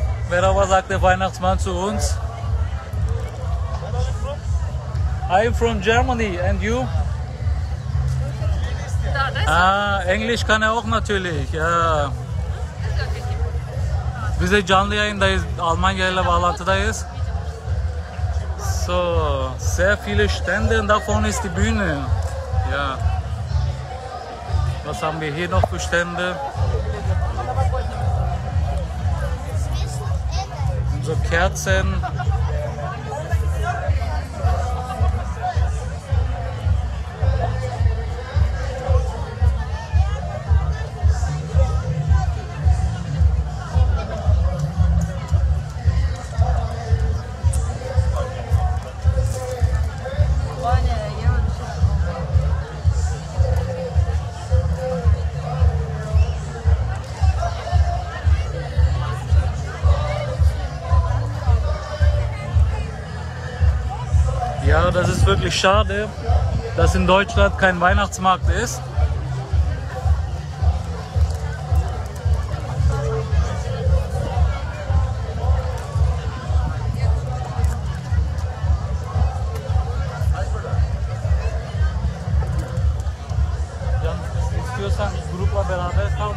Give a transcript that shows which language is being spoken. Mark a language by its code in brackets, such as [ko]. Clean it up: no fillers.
[de] Merhaba, sagt der Weihnachtsmann zu uns. [en] I'm from Germany and you? [de] Ah, Englisch kann auch natürlich, ja. [tr] Biz de canlı yayındayız, Almanya ile bağlantıdayız. [de] So, sehr viele Stände und da vorne ist die Bühne. Ja. Was haben wir hier noch für Stände? Unsere Kerzen. Das ist wirklich schade, dass in Deutschland kein Weihnachtsmarkt ist. [tr] Can, istiyorsan grupla beraber kal.